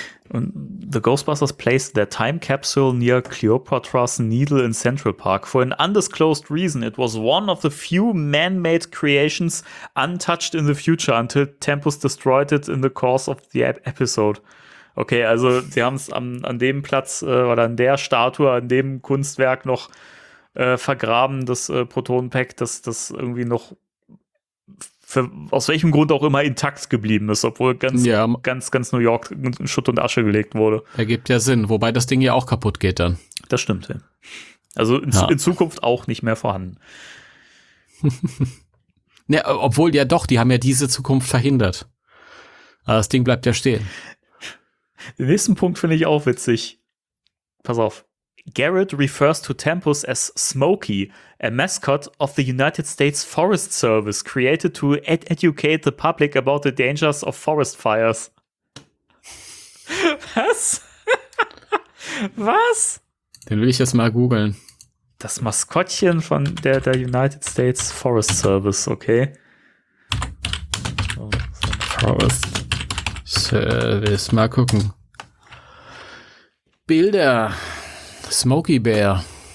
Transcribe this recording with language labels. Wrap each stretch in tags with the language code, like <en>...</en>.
<de>Und</de> <en>The Ghostbusters placed their time capsule near Cleopatra's Needle in Central Park for an undisclosed reason. It was one of the few man-made creations untouched in the future until Tempus destroyed it in the course of the episode.</en> <de>Okay, also sie haben es an dem Platz oder an der Statue, an dem Kunstwerk noch vergraben, das Protonenpack, dass das irgendwie noch aus welchem Grund auch immer intakt geblieben ist, obwohl ganz New York in Schutt und Asche gelegt wurde. Ergibt ja Sinn, wobei das Ding ja auch kaputt geht dann. Das stimmt. Ja. Also in Zukunft auch nicht mehr vorhanden. Ja, obwohl ja doch, die haben ja diese Zukunft verhindert. Aber das Ding bleibt ja stehen. Den nächsten Punkt finde ich auch witzig. Pass auf.</de> <en>Garrett refers to Tempus as Smokey, a mascot of the United States Forest Service, created to educate the public about the dangers of forest fires.</en> <de>Was? Was? Den will ich jetzt mal googeln. Das Maskottchen von der United States Forest Service, okay. Forest Service, mal gucken. Bilder. Smokey Bear.</de>